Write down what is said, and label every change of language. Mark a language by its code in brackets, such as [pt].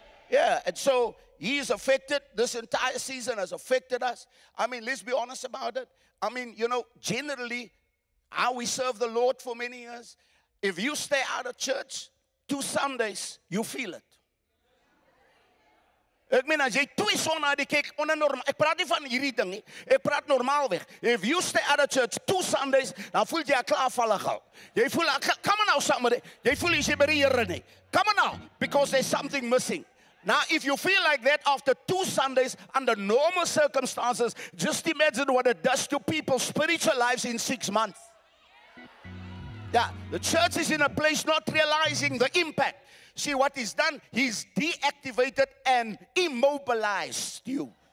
[en] Yeah, and so he's affected. This entire season has affected us. I mean, let's be honest about it. I mean, you know, generally, how we serve the Lord for many years, if you stay out of church 2 Sundays, you feel it. [af] Ek meen, as jy 2 Sondae kyk, onder normaal, ek praat nie van hierdie ding nie, ek praat normaal weg. [en] If you stay out of church 2 Sundays, [af] dan voel jy klaarvallig al. Jy voel, [en] come on now somebody, [af] jy voel jy by die Here nie. [en] Come on now, because there's something missing. Now, if you feel like that after 2 Sundays, under normal circumstances, just imagine what it does to people's spiritual lives in 6 months. Yeah, the church is in a place not realizing the impact. See what he's done? He's deactivated and immobilized you.